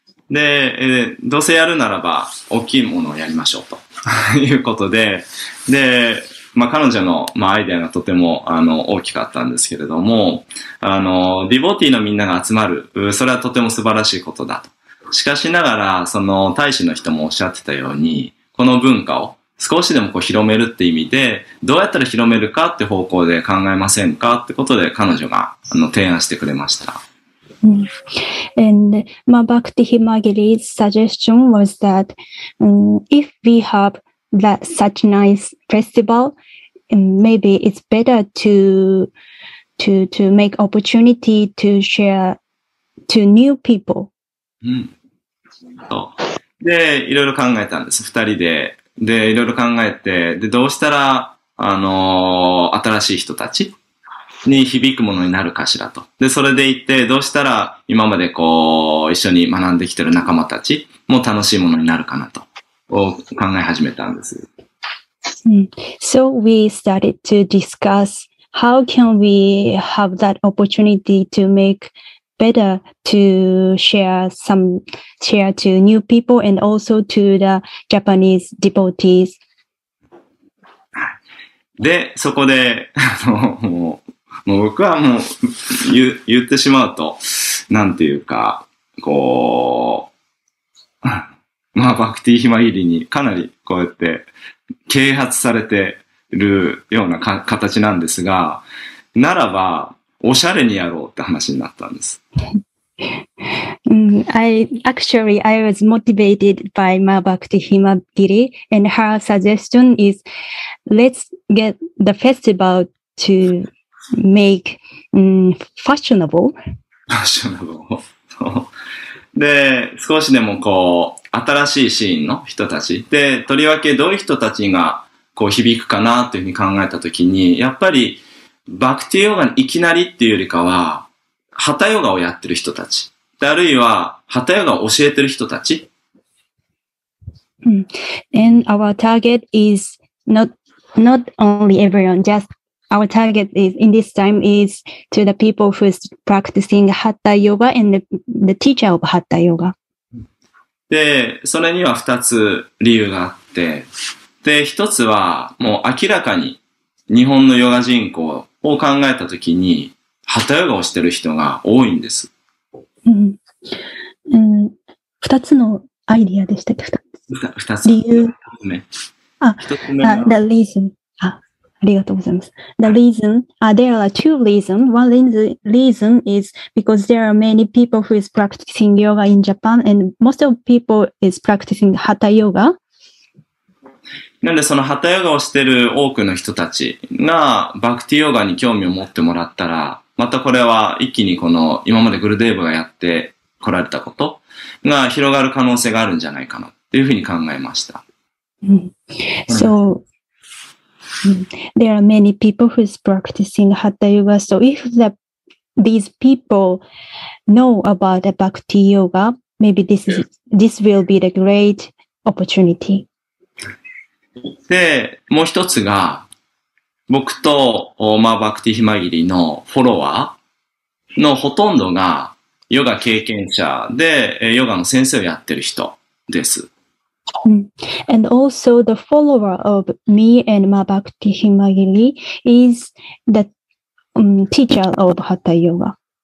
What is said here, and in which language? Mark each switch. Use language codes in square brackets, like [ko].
[ja] で、どうせやるならば、大きいものをやりましょう、ということで、で、まあ、彼女の、まあ、アイデアがとても、大きかったんですけれども、ディボティのみんなが集まる、それはとても素晴らしいことだと。しかしながら、その、大使の人もおっしゃってたように、この文化を少しでもこう広めるって意味で、どうやったら広めるかって方向で考えませんかってことで、彼女が、提案してくれました。 [en] And Mabakti Himagiri's suggestion was that if we have that such nice festival, maybe it's better to make opportunity to share to new people. [ja] で、いろいろ考えたんです、2人で。で、いろいろ考えて、で、どうしたら、新しい人たちに響くものになるかしらと。で、それで行って、どうしたら、今までこう、一緒に学んできてる仲間たちも楽しいものになるかなと、を考え始めたんです。 [en] So we started to discuss how can we have that opportunity to make better to share to new people and also to the Japanese devotees. [ja] で、そこで、もう僕はもう言ってしまうと、なんていうか、こう、まあ、バクティヒマギリにかなりこうやって啓発されてるような形なんですが、ならば、おしゃれにやろうって話になったんです。 [en] I was motivated by Ma Bhakti Himagiri, and her suggestion is, let's get the festival to make fashionable. Fashionable. [ja] で、少しでもこう、新しいシーンの人たち。で、とりわけどういう人たちがこう響くかなというふうに考えたときに、やっぱり、バクティヨガにいきなりっていうよりかは、ハタヨガをやってる人たち。あるいは、ハタヨガを教えてる人たち。 [en] And our target is not only everyone, just our target is in this time is to the people who's practicing Hatha Yoga and the teacher of Hatha Yoga. [ja] で、それには二つ理由があって、で、一つはもう明らかに日本のヨガ人口を考えたときに、ハタヨガをしてる人が多いんです。うん。二つのアイディアでしたっけ？二つ。理由。ね。 [en] あ、the reason. [ja] あ、ありがとうございます。 [en] The reason. There are two reasons. One reason is because there are many people who is practicing yoga in Japan and most of people is practicing Hatha Yoga. [ja] なんでそのハタヨガをしてる多くの人たちがバクティヨガに興味を持ってもらったら、またこれは一気にこの今までグルデーブがやって来られたことが広がる可能性があるんじゃないかなっていうふうに考えました。 [en] So, there are many people who's practicing Hatha Yoga. So if these people know about the Bhakti Yoga, maybe this will be the great opportunity. [ja] で、もう一つが、僕と、まあ、バクティヒマギリのフォロワーのほとんどが、ヨガ経験者で、ヨガの先生をやってる人です。 [en] And also the follower of me and my Bhakti Himagiri is the teacher of Hatha Yoga.